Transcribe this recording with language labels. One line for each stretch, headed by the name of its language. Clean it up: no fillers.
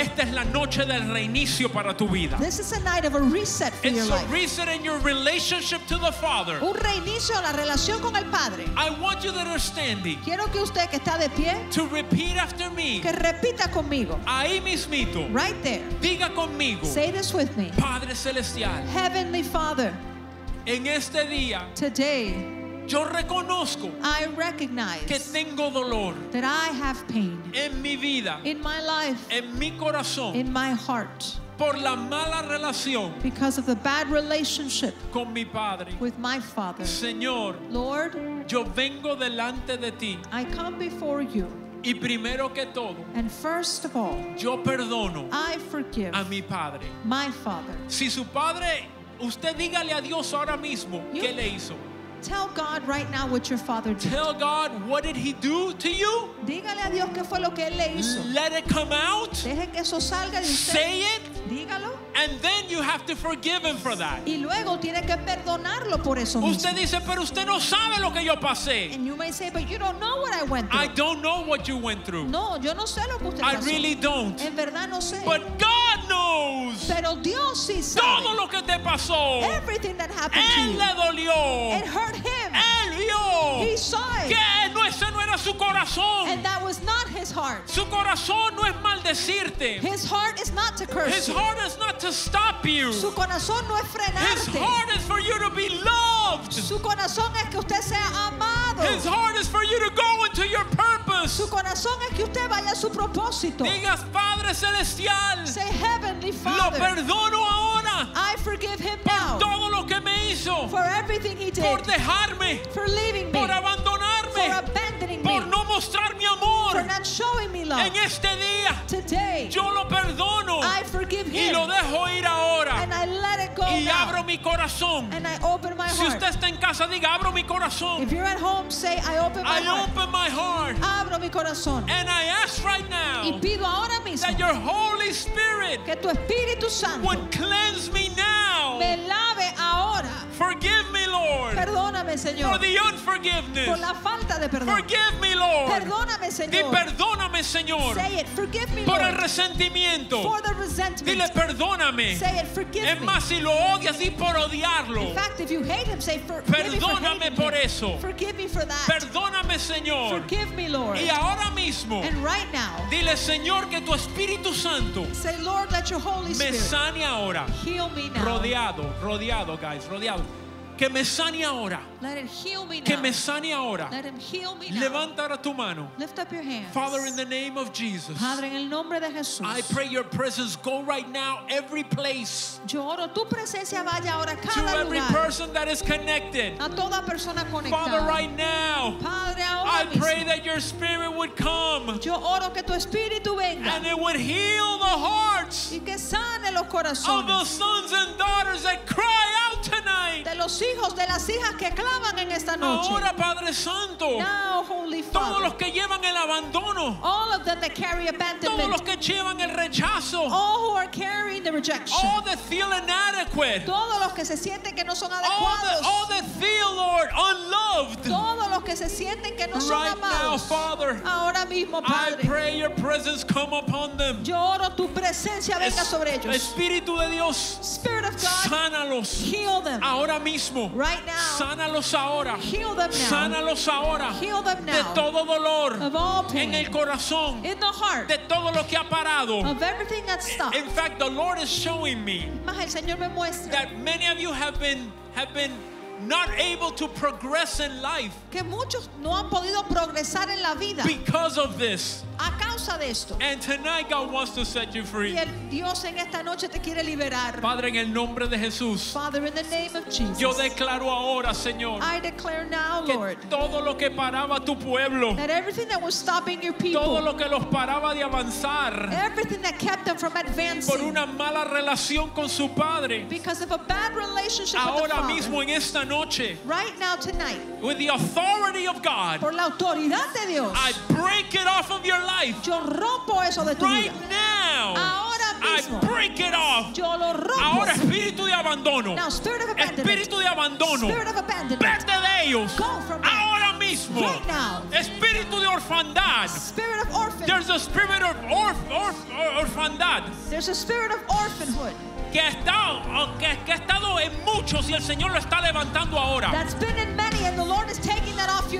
Spanish: Esta es la noche del reinicio para tu vida.
English: This is a night of a reset for it's your life. It's a reset in your relationship to the Father.
Spanish: Un reinicio a la relación con el Padre.
English: I want you that are standing.
Spanish: Quiero que usted que está de pie.
English: To repeat after me.
Spanish: Que repita conmigo. Ahí mismito.
English: Right there.
Spanish: Diga conmigo.
English: Say this with me.
Spanish: Padre celestial.
English: Heavenly Father.
Spanish: En este día.
English: Today.
Spanish: Yo reconozco
English: I recognize
Spanish: que tengo dolor
English: that I have pain
Spanish: en mi vida,
English: in my life,
Spanish: en mi corazón,
English: in my heart,
Spanish: por la mala relación
English: because of the bad relationship
Spanish: con mi padre.
English: With my father.
Spanish: Señor,
English: Lord,
Spanish: yo vengo delante de ti.
English: I come before you.
Spanish: Y primero que todo,
English: and first of all,
Spanish: yo perdono
English: I forgive
Spanish: a mi padre.
English: My father.
Spanish: Si su padre, usted dígale a Dios ahora mismo
English: you
Spanish: qué le hizo.
English: Tell God right now what your father did. Tell God what did he do to you.
Spanish: Dígale a Dios qué fue lo que él le hizo.
English: Let it come out.
Spanish: Deje que eso salga de usted.
English: Say it.
Spanish: Dígalo.
English: And then you have to forgive him for that.
Spanish: Y luego tiene que perdonarlo por eso mismo. Usted dice, pero usted no sabe lo que yo pasé.
English: And you may say, but you don't know what I went through. I don't know what you went through.
Spanish: No, yo no sé lo que usted
English: I
Spanish: pasó.
English: I really don't.
Spanish: En verdad no sé.
English: But God knows.
Spanish: Pero Dios sí sabe. Todo lo que te pasó.
English: Everything that happened
Spanish: él
English: to you.
Spanish: Él le dolió.
English: It hurt him.
Spanish: Él vio.
English: He saw it.
Spanish: Que no, ese no era su corazón.
English: And that was not his heart.
Spanish: Su corazón no es maldecirte.
English: His heart is not to curse his you. His heart is not to stop you.
Spanish: Su corazón no es frenarte.
English: His heart is for you to be loved.
Spanish: Su corazón es que usted sea amado.
English: His heart is for you to go into your purpose.
Spanish: Su corazón es que usted vaya a su propósito. Digas, Padre Celestial,
English: say Heavenly Father,
Spanish: lo perdono ahora.
English: I forgive him
Spanish: por
English: now
Spanish: todo lo que me hizo.
English: For everything he did.
Spanish: Por dejarme.
English: For leaving me.
Spanish: Por abandonarme.
English: For abandoning
Spanish: por
English: me.
Spanish: No mostrar mi amor.
English: For not showing me love.
Spanish: En este día,
English: today,
Spanish: yo lo perdono.
English: I forgive him.
Spanish: Y lo dejo ir ahora.
English: And I let it go.
Spanish: Y
English: now.
Spanish: Abro mi corazón.
English: And I open my heart.
Spanish: Si usted está en casa, diga, abro mi corazón.
English: If you're at home, say, I open my heart. I open my heart.
Spanish: Abro mi corazón.
English: And I ask right now.
Spanish: Y pido ahora mismo.
English: That your Holy Spirit.
Spanish: Que tu Espíritu Santo.
English: Would cleanse me now.
Spanish: Me lave ahora.
English: Forgive me, Lord.
Spanish: Perdóname, Señor.
English: For the unforgiveness.
Spanish: Por la falta de perdón.
English: Forgive me, Lord.
Spanish: Perdóname, Señor. Dile, perdóname, Señor.
English: Say it. Forgive me,
Spanish: por
English: Lord.
Spanish: Por el resentimiento.
English: For the resentment.
Spanish: Dile, perdóname.
English: Say it. Forgive me.
Spanish: Es más, si lo odias, di por odiarlo.
English: In fact, if you hate him, say for.
Spanish: Perdóname por eso.
English: Forgive me for that.
Spanish: Perdóname, Señor.
English: Forgive me, Lord.
Spanish: Y ahora mismo.
English: And right now.
Spanish: Dile, Señor, que tu Espíritu Santo.
English: Say, Lord, let your Holy Spirit.
Spanish: Me sane ahora.
English: Heal me now.
Spanish: Rodeado, rodeado,
English: guys,
Spanish: rodeado. Que me sane ahora.
English: Let him heal me now.
Spanish: Que me sane ahora.
English: Let him heal me now.
Spanish: Levanta ahora tu mano.
English: Lift up your hands. Father, in the name of Jesus.
Spanish: Padre, en el nombre de Jesús.
English: I pray your presence go right now every place.
Spanish: Yo oro tu presencia vaya ahora cada lugar.
English: To every person that is connected.
Spanish: A toda persona conectada.
English: Father, right now.
Spanish: Padre, ahora
English: I pray that your Spirit would come.
Spanish: Yo oro que tu Espíritu venga.
English: And it would heal the hearts.
Spanish: Y que sane los corazones.
English: Of the sons and daughters that cry out tonight.
Spanish: De los hijos de las hijas que claman en esta noche. Ahora, Padre Santo,
English: now, Holy Father,
Spanish: todos los que llevan el abandono,
English: all of them that carry abandonment,
Spanish: todos los que llevan el rechazo,
English: all who are carrying the rejection, all that feel inadequate,
Spanish: todos los que se sienten que no son adecuados,
English: all that feel, Lord, unloved,
Spanish: todos los que se sienten que no son amados,
English: right now, Father,
Spanish: ahora mismo, Padre,
English: I pray your presence come upon them.
Spanish: Yo oro tu presencia venga sobre ellos. Espíritu de Dios,
English: Spirit of God,
Spanish: sánalos,
English: heal them.
Spanish: Ahora mismo.
English: Right now,
Spanish: sánalos ahora.
English: Heal them now.
Spanish: Sánalos ahora.
English: Heal them now.
Spanish: De todo dolor.
English: Of all pain.
Spanish: En el corazón.
English: In the heart.
Spanish: De todo lo que ha parado.
English: Of everything that's stopped. In fact, the Lord is showing me.
Spanish: Más el Señor me muestra.
English: That many of you have been not able to progress in life.
Spanish: Que muchos no han podido progresar en la vida.
English: Because of this.
Spanish: A causa de esto.
English: And tonight God wants to set you free.
Spanish: Y el Dios en esta noche te quiere liberar. Padre, en el nombre de Jesús.
English: Father, in the name of Jesus.
Spanish: Yo declaro ahora, Señor.
English: I declare now,
Spanish: que
English: Lord.
Spanish: Todo lo que paraba tu pueblo.
English: That everything that was stopping your people.
Spanish: Todo lo que los paraba de avanzar.
English: Everything that kept them from advancing.
Spanish: Por una mala relación con su padre.
English: Because of a bad relationship
Spanish: ahora
English: with the Father.
Spanish: Ahora mismo en esta noche.
English: Right now tonight. With the authority of God.
Spanish: Por la autoridad de Dios.
English: I break it off of your life.
Spanish: Yo rompo eso de tu
English: right
Spanish: vida.
English: Now.
Spanish: Ahora mismo.
English: I break it off.
Spanish: Yo lo rompo. Ahora espíritu de abandono.
English: Now spirit of abandonment.
Spanish: Espíritu de abandono.
English: Spirit of abandonment.
Spanish: Vete de ellos.
English: Go from them.
Spanish: Ahora mismo.
English: Right now.
Spanish: Espíritu de orfandad.
English: Spirit of orphan. There's a spirit of orfandad. There's a spirit of orphanhood.
Spanish: Que ha estado, que ha estado en muchos y el Señor lo está levantando ahora.
English: That's been in many and the Lord is taking that off you.